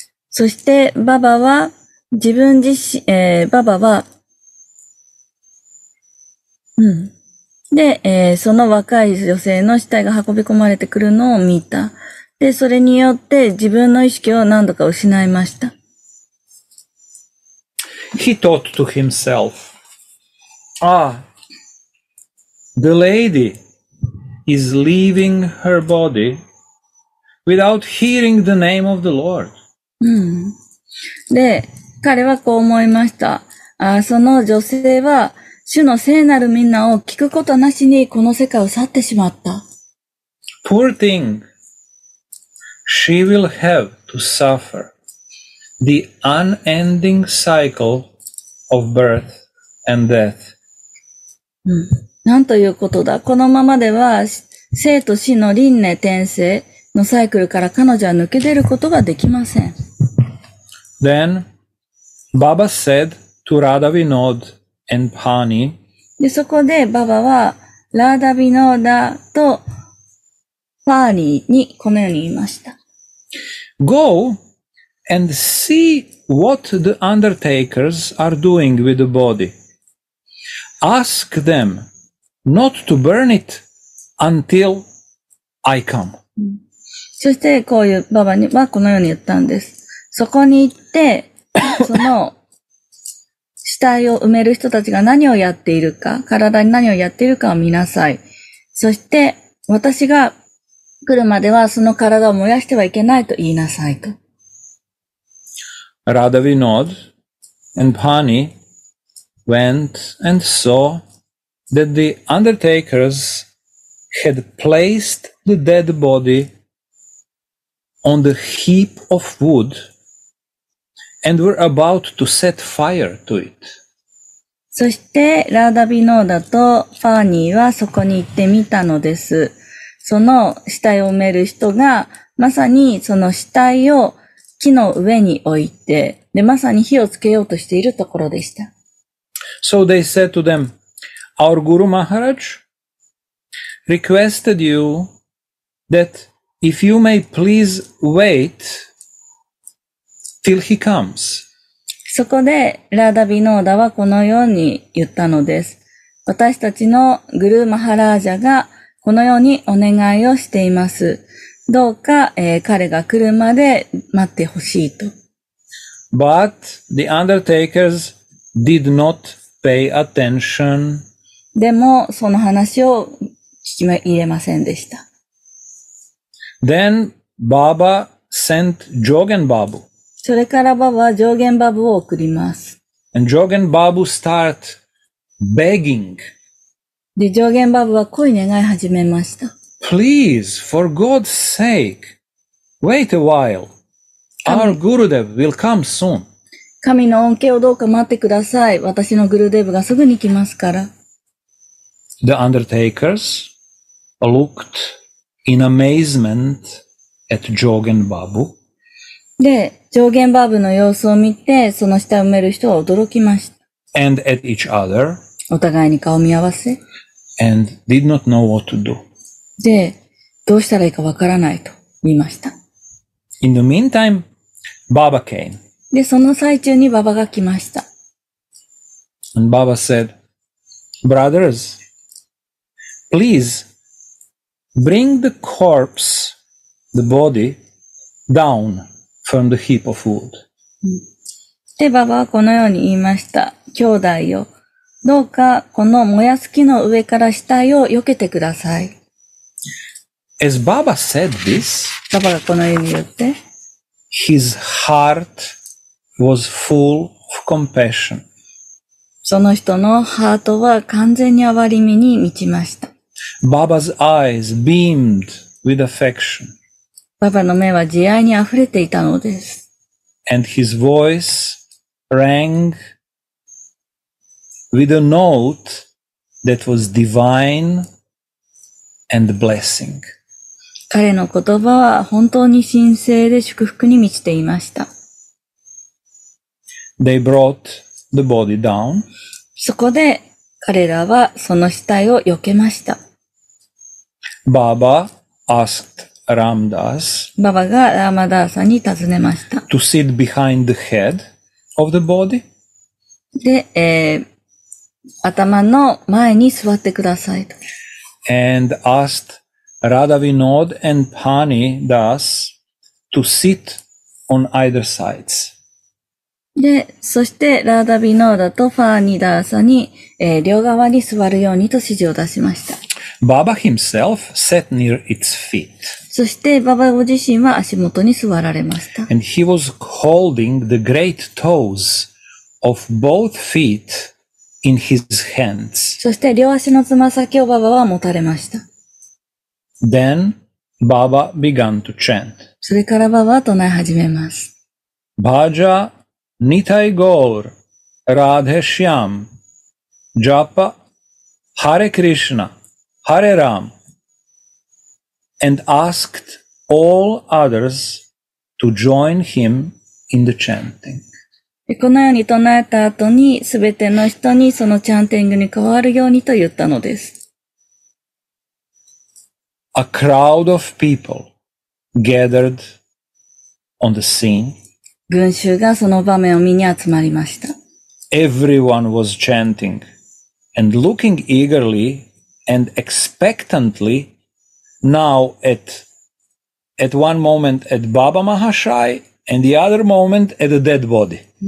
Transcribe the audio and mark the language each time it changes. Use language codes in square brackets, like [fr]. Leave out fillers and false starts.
[ja] そして、ババは、自分自身、ババは、うん。で、その若い女性の死体が運び込まれてくるのを見た。で、それによって自分の意識を何度か失いました。 [en] He thought to himself, Ah, the lady is leaving her body without hearing the name of the Lord. [ja] うん、で、彼はこう思いました。あ、その女性は、主の聖なるみんなを聞くことなしにこの世界を去ってしまった。 [en] Poor thing. She will have to suffer the unending cycle of birth and death.、 [ja] うん、なんということだ。このままでは、生と死の輪廻転生のサイクルから彼女は抜け出ることができません。 [en] Then, Baba said to Radha Vinod and Pani, [ja] で、そこで、ババは、ラーダ・ヴィノーダとパーニーにこのように言いました。 [en] Go and see what the undertakers are doing with the body. Ask them not to burn it until I come. [ja] そして、こういう、ババにはこのように言ったんです。そこに行って、その、死体を埋める人たちが何をやっているか、体に何をやっているかを見なさい。そして、私が来るまではその体を燃やしてはいけないと言いなさいと。 [en] Radha Vinod and Pani went and saw that the undertakers had placed the dead body on the heap of wood. And we're about to set fire to it. [ja] そして、ラーダ・ヴィノーダとパーニーはそこに行ってみたのです。その死体を埋める人が、まさにその死体を木の上に置いて、で、まさに火をつけようとしているところでした。 [en] So they said to them, Our Guru Maharaj requested you that if you may please wait,Till he comes. [ja] そこで、ラーダ・ヴィノーダはこのように言ったのです。私たちのグルー・マハラージャがこのようにお願いをしています。どうか、彼が来るまで待ってほしいと。 [en] But the undertakers did not pay attention. [ja] でも、その話を聞き入れませんでした。 [en] Then Baba sent Jogen Babu. [ja] それからババは上限バブを送ります。 [en] And Jogen Babu start begging. [ja] で、上限バブは声願い始めました。 [en] Please, for God's sake, wait a while. Our Gurudev will come soon. [ja] 神の恩恵をどうか待ってください。私のグルデブがすぐに来ますから。 [en] The undertakers looked in amazement at Jogen Babu. [ja] で、上限バーブの様子を見て、その下を埋める人は驚きました。 [en] And at each other. [ja] お互いに顔を見合わせ。 [en] And did not know what to do. [ja] で、どうしたらいいかわからないと言いました。 [en] In the meantime, Baba came. [ja] で、その最中にババが来ました。 [en] And Baba said, Brothers, please bring the corpse, the body, down. From the heap of wood. [ja] で、ババはこのように言いました。兄弟よ、どうかこの燃やす木の上から死体を避けてください。 [en] As Baba said this, [ja] ババがこのように言って、 [en] his heart was full of compassion. [ja] その人のハートは完全に憐れみに満ちました。 [en] Baba's eyes beamed with affection. [ja] ババの目は慈愛に溢れていたのです。 [en] And his voice rang with a note that was divine and blessing. [ja] 彼の言葉は本当に神聖で祝福に満ちていました。 [en] They brought the body down. [ja] そこで彼らはその死体を避けました。 [en] Baba asked Ramdas. [ja] ババがラマダーさんに尋ねました。 [en] To sit behind the head of the body. [ja] で、頭の前に座ってくださいと。 [en] And asked Radhavinod and Pani Das to sit on either sides. [ja] で、そしてラダビノーダとファーニダーサに、両側に座るようにと指示を出しました。 [en] Baba himself sat near its feet. [ja] そしてババご自身は足元に座られました。 [en] And he was holding the great toes of both feet in his hands. [ja] そして両足のつま先をババは持たれました。 [en] Then Baba began to chant. [ja] それからババは唱え始めます。 [bn] Bhaja Nitai Gaur Radhe Shyam Japa Hare Krishna Hare Ram [en] and asked all others to join him in the chanting. [ja] このように唱えた後に全ての人にそのチャンティングに加わるようにと言ったのです。 [en] A crowd of people gathered on the scene. [ja] 群衆がその場面を見に集まりました。 [en] Everyone was chanting and looking eagerly and expectantly now at one moment at Baba Mahashai and the other moment at the dead body.